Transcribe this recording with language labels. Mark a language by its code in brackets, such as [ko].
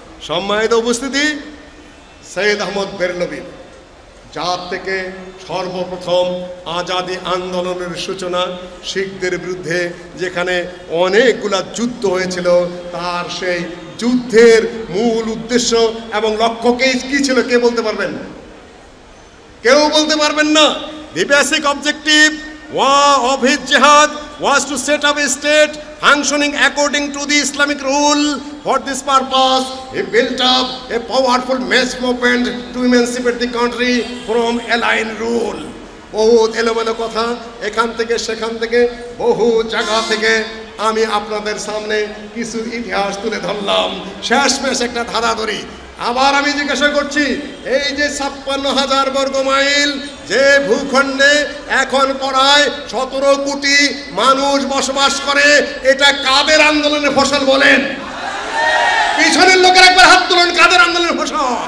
[bn] সম্মানিত উপস্থিতি, সৈয়দ আহমদ বেরলভী, যার থেকে সর্বপ্রথম আজাদি আন্দোলনের সূচনা, শিখদের বিরুদ্ধে যেখানে অনেকগুলো যুদ্ধ হয়েছিল, তার সেই যুদ্ধের মূল উদ্দেশ্য এবং লক্ষ্য কী ছিল কে বলতে পারবেন? কেউ বলতে পারবেন না? [en] The basic objective ওয়া of his জিহাদ was to set up a state functioning according to the Islamic rule. For this purpose, he built up a powerful mass movement to emancipate the country from alien rule. [bn] বহুত এলোমেলো কথা এখান থেকে সেখান থেকে বহু জায়গা থেকে আমি আপনাদের সামনে কিছু ইতিহাস তুলে ধরলাম শেষমেশ একটা ধারা ধরি আবার আমি জিজ্ঞাসা করছি এই যে 56,000 বর্গ মাইল যে ভূখণ্ডে এখন পড়ায় 17 কোটি মানুষ বসবাস করে এটা কাদের আন্দোলনের ফসল বলেন পিছনের লোকের একবার হাত তুলুন কাদের আন্দোলনের ফসল